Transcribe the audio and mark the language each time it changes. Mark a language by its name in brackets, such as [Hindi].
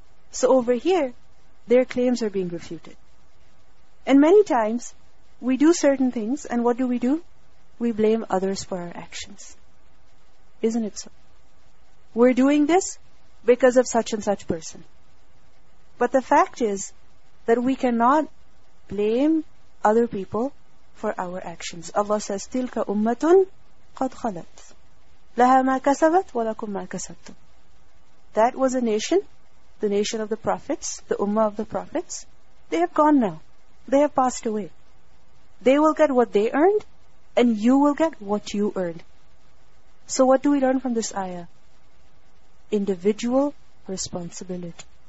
[English] So over here, their claims are being refuted. And many times, we do certain things, and what do? We blame others for our actions. Isn't it so? We're doing this because of such and such person. But the fact is that we cannot blame other people for our actions. Allah says, [Arabic] تِلْكَ أُمَّةٌ قَدْ خَلَتْ لَهَا مَا كَسَبَتْ وَلَكُمْ مَا كَسَبْتُمْ. [English] That was a nation, the nation of the prophets, the ummah of the prophets. They have gone now. They have passed away. They will get what they earned, and you will get what you earned. So what do we learn from this ayah? Individual responsibility.